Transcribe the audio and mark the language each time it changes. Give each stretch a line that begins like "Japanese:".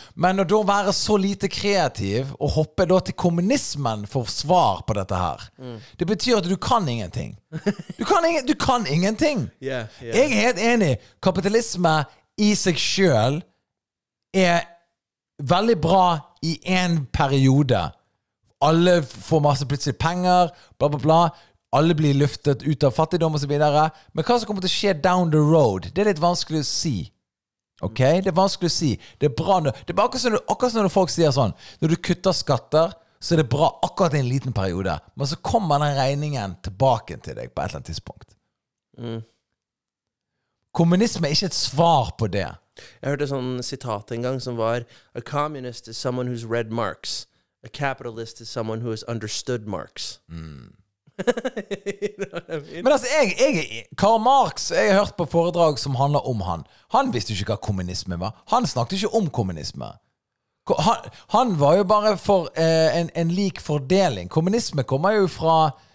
Swedish: Men att då vara så lite kreativ och hoppa då till kommunismen för svar på detta här. Mm. Det betyder att du kan ingenting. Du kan ingenting. Jag är helt enig. Kapitalismen i sig själv är väldigt bra i en period.
Norwegian: Alle får masse plutselig penger, bla bla bla. Alle blir løftet ut av fattigdom og så videre. Men hva som kommer til å skje
English: down the road,
Norwegian: det litt vanskelig å si. Ok? Det vanskelig å si. Det bra nå. Det bare akkurat som når folk sier sånn, når du kutter skatter, så det bra akkurat en liten periode. Men så kommer den regningen tilbake til deg på et eller annet tidspunkt. Mm. Kommunisme ikke et svar på det. Jeg hørte et sånt sitat en gang som var,
English: a communist is someone who's read Marx. A capitalist is someone who has understood Marx. Mm. You know what I mean?
Swedish: Men alltså, Karl Marx, jag har hört på föredrag som handlar om han. Han visste ju inte vad kommunismen var. Han snackade ju inte om kommunismen. Han var ju bara för en lik fördelning. Kommunismen kommer ju från